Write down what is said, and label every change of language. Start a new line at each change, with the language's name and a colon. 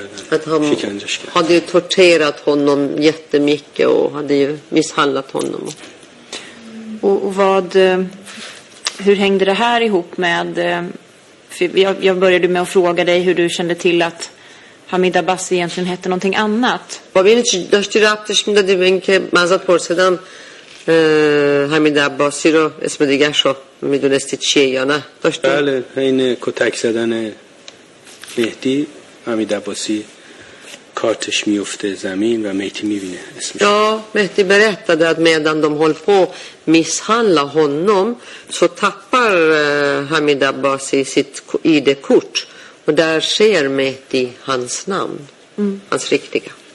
Swedish: Att han hade ju torterat honom jättemycket och hade ju misshandlat honom. Och vad, hur hängde det här ihop med, jag började med att fråga dig hur du kände till att Hamid Abbasi egentligen hette någonting annat. Vad vill du styra upp det som du har mazat på sedan?
Persian: همین عباسی رو اسم دیگه شو میدونستی چیه یا نه داشتی؟ بله این کتک زدن مهدی همین عباسی کارتش میفته زمین و مهدی میبینه اسمش.
Swedish: Ja, Mehdi berättade att medan de håller på misshandla honom så tappar Hamid Abbasi sitt ID-kort och där ser Mehdi hans namn, hans riktiga.